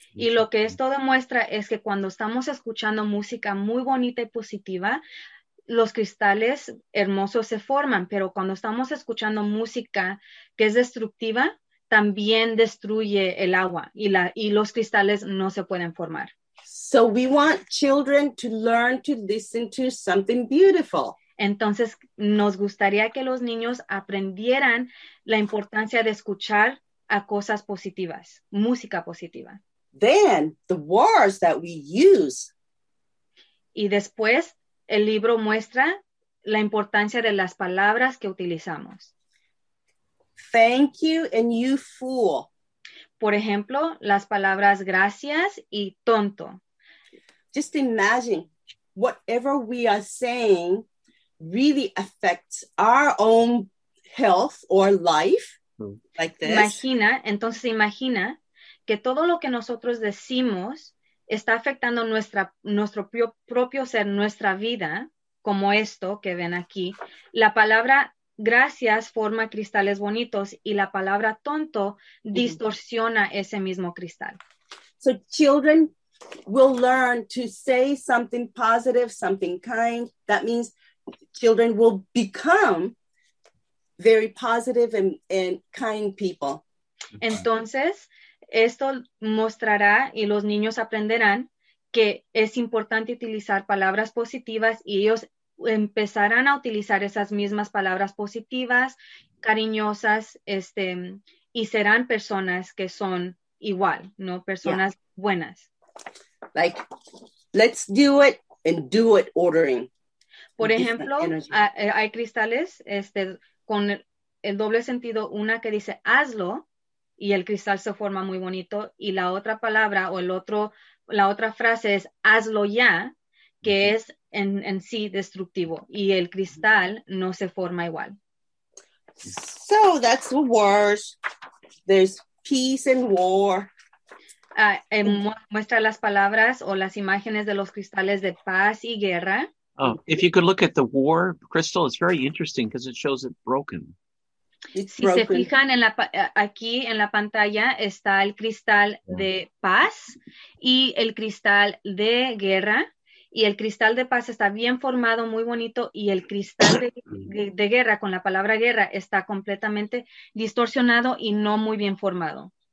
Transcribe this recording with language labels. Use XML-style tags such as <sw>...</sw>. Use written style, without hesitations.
<es>Y lo que esto demuestra es que cuando estamos escuchando música muy bonita y positiva, los cristales hermosos se forman, pero cuando estamos escuchando música que es destructiva, también destruye el agua y los cristales no se pueden formar.</es> <en>So we want children to learn to listen to something beautiful.</en> <es>Entonces, nos gustaría que los niños aprendieran la importancia de escuchar a cosas positivas, música positiva.</es> <en>Then, the words that we use.</en> <es>Y después, el libro muestra la importancia de las palabras que utilizamos.</es> <en>Thank you and you fool.</en> <es>Por ejemplo, las palabras gracias y tonto.</es> <en>Just imagine, whatever we are saying really affects our own health or life, like this.</en> <es>Entonces imagina que todo lo que nosotros decimos está afectando nuestro propio ser, nuestra vida, como esto que ven aquí. La palabra gracias forma cristales bonitos y la palabra tonto distorsiona ese mismo cristal.</es> <en>So children will learn to say something positive, something kind. That means children will become very positive and kind people.</en> <es>Entonces, esto mostrará y los niños aprenderán que es importante utilizar palabras positivas y ellos empezarán a utilizar esas mismas palabras positivas, cariñosas, y serán personas que son igual, ¿no? Personas yeah. buenas.</es> <en>Like, let's do it and do it ordering.</en> <es>Por ejemplo, hay cristales con el doble sentido, una que dice hazlo y el cristal se forma muy bonito y la otra palabra o la otra frase es hazlo ya, que mm-hmm. es en sí destructivo y el cristal no se forma igual.</es> <en>So that's the words. There's peace and war.</en> <es>Muestra las palabras o las imágenes de los cristales de paz y guerra.</es> <en>Oh, if you could look at the war crystal, it's very interesting because it shows it broken.</en> <es>Si se fijan aquí en la pantalla está el cristal de paz y el cristal de guerra. Y el cristal de paz está bien formado, muy bonito. Y el cristal de guerra, con la palabra guerra, está completamente distorsionado y no muy bien formado.</es>